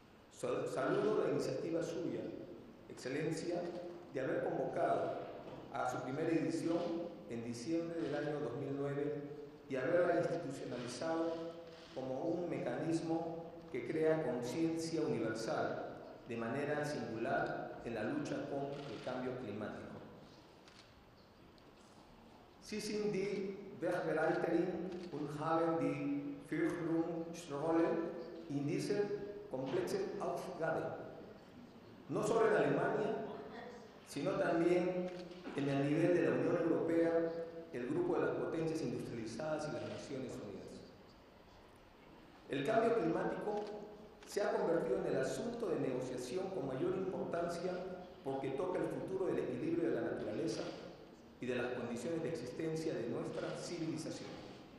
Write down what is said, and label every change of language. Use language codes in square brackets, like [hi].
[es] Saludo la iniciativa suya, Excelencia, de haber convocado a su primera edición en diciembre del año 2009 y haberla institucionalizado como un mecanismo que crea conciencia universal de manera singular en la lucha con el cambio climático. [de] Sie sind die Wegbereiterin und haben die Führungsrolle in dieser komplexen Aufgabe. [es] No solo en Alemania, sino también en el nivel de la Unión Europea, el grupo de las potencias industrializadas y las Naciones Unidas. El cambio climático se ha convertido en el asunto de negociación con mayor importancia porque toca el futuro del equilibrio de la naturaleza y de las condiciones de existencia de nuestra civilización.